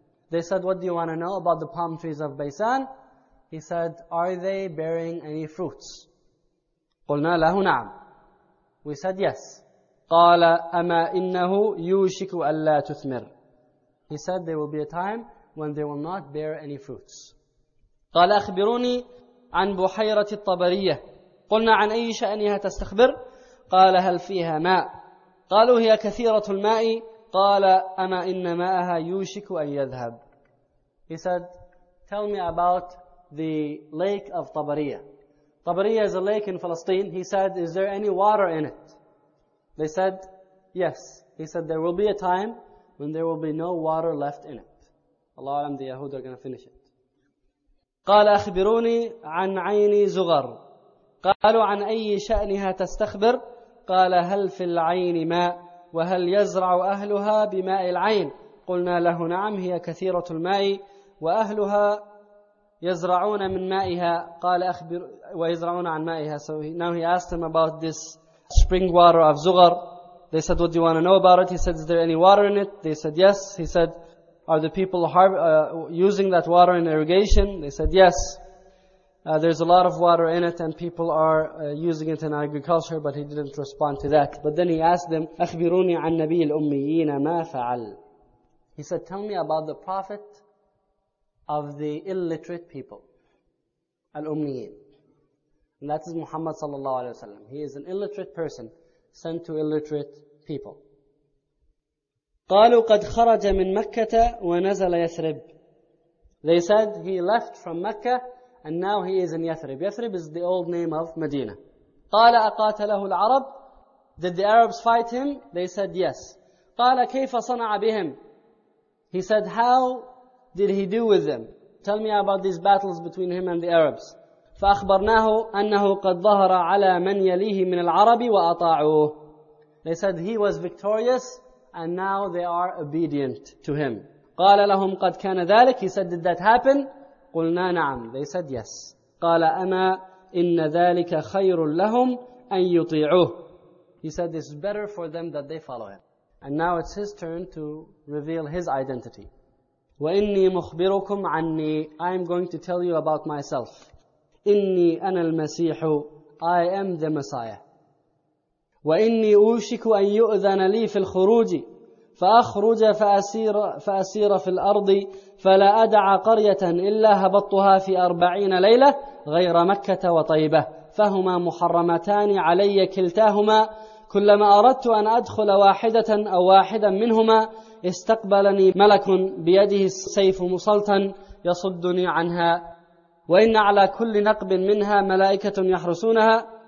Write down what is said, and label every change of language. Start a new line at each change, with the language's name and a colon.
English: They said, what do you want to know about the palm trees of Baysan? He said, are they bearing any fruits?
Arabic: قُلْنَا لَهُ نَعْمْ.
English: We said, yes.
Arabic: قَالَ أَمَا إِنَّهُ يُوشِكُ أَلَّا تُثْمِرْ.
English: He said, there will be a time when they will not bear any fruits.
Arabic: قال أخبروني عن بحيرة الطبرية. قلنا عن أي شأنها تستخبر؟ قال هل فيها ماء؟ قالوا هي كثيرة الماء. قال أما إن ماءها يوشك أن يذهب.
English: He said, tell me about the lake of Tabariya. Tabariya is a lake in Palestine. He said, is there any water in it? They said, yes. He said there will be a time when there will be no water left in it. Allah Alam, the Yahud are going to finish it.
Arabic: قال أخبروني عن عيني زغر. قالوا عن أي شأنها تستخبر؟ قال هل في العين ماء؟ وهل يزرع أهلها بماء العين؟ قلنا له نعم هي كثيرة الماء وأهلها يزرعون من مائها. قال أخبر ويزرعون عن مائها.
English: So now he asked him about this spring water of Zughar. They said, "What do you want to know about it?" He said, "Is there any water in it?" They said, "Yes." He said, "Are the people using that water in irrigation?" They said, "Yes." There's a lot of water in it, and people are using it in agriculture. But he didn't respond to that. But then he asked them,
Arabic: "أخبروني عن نبي الأميين ما فعل."
English: He said, "Tell me about the Prophet of the illiterate people, al-Ummiyin." And that is Muhammad sallallahu alayhi wa sallam. He is an illiterate person sent to illiterate people.
Arabic: قالوا قد خرج من مكة ونزل يثرب.
English: They said he left from Mecca and now he is in Yathrib. Yathrib is the old name of Medina.
Arabic: قال أقاتله العرب.
English: Did the Arabs fight him? They said yes.
Arabic: قال كيف صنع بهم.
English: He said, "How did he do with them? Tell me about these battles between him and the Arabs."
Arabic: فأخبرناه أنه قد ظهر على من يليه من العرب وأطاعوه.
English: They said he was victorious and now they are obedient to him.
Arabic: قال لهم قد كان ذلك.
English: He said, "Did that happen?"
Arabic: قلنا نعم.
English: They said yes.
Arabic: قال أما إن ذلك خير لهم أن يطيعوه.
English: He said it's better for them that they follow him. And now it's his turn to reveal his identity.
Arabic: وإني مخبركم عني.
English: I'm going to tell you about myself.
Arabic: إني أنا المسيح.
English: I am the Messiah.
Arabic: وإني أوشك أن يؤذن لي في الخروج فأخرج فأسير في الأرض فلا أدع قرية إلا هبطتها في 40 ليلة غير مكة وطيبة فهما محرمتان علي كلتاهما كلما أردت أن أدخل واحدة أو واحدا منهما استقبلني ملك بيده السيف مسلطا يصدني عنها وإن على كل نقب منها ملائكة يحرسونها